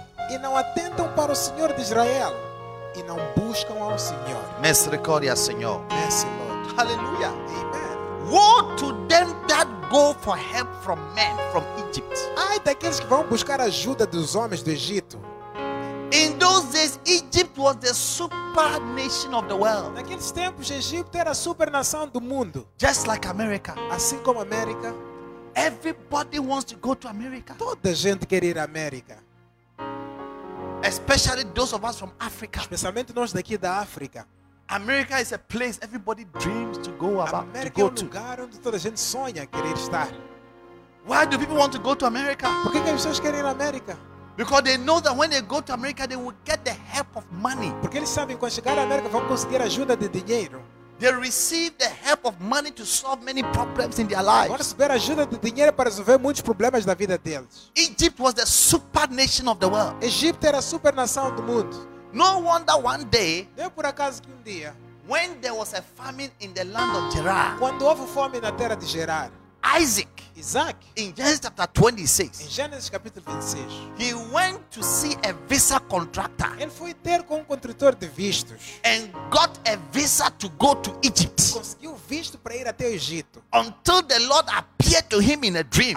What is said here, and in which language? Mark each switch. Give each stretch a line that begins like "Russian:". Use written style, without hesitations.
Portuguese: E não atentam para o Senhor de Israel. E não buscam ao Senhor. Mestre, glória, Senhor. Mestre, Lord.
English: Hallelujah. Amen. Woe to them that go for help from men, from Egypt.
Portuguese: Ai daqueles que vão buscar ajuda dos homens do Egito.
English: In those days, Egypt was the super nation of the world.
Portuguese: Naqueles tempos, Egito era a super nação do mundo.
English: Just like America.
Portuguese: Assim como América.
English: Everybody wants to go to America.
Portuguese: Toda gente quer ir à América.
English: Especially those of us from Africa.
Portuguese: Especialmente nós daqui da África.
English: America is a place everybody dreams to go about.
Portuguese: América é um lugar onde toda a gente sonha querer estar.
English: Why do people want to go to America?
Portuguese: Por que as pessoas querem ir à América?
English: Because they know that when they go to America, they will get the help of money.
Portuguese: Porque eles sabem que quando chegar à América vão conseguir ajuda de dinheiro.
English: They receive the help of money to solve many problems in their lives.
Portuguese: Vão receber ajuda de dinheiro para resolver muitos problemas da vida deles.
English: Egypt was the super nation of the world.
Portuguese: Egipto era a super nação do mundo.
English: No wonder one day,
Portuguese: não é por acaso que um dia,
English: when there was a famine in the land of Gerar,
Portuguese: quando houve fome na terra de Gerar,
English: Isaac, in Genesis chapter 26,
Portuguese: em Gênesis capítulo 26,
English: he went to see a visa contractor.
Portuguese: Ele foi ter com um contrator de vistos.
English: And got a visa to go to Egypt.
Portuguese: Conseguiu visto para ir até o Egito.
English: Until the Lord appeared to him in a dream.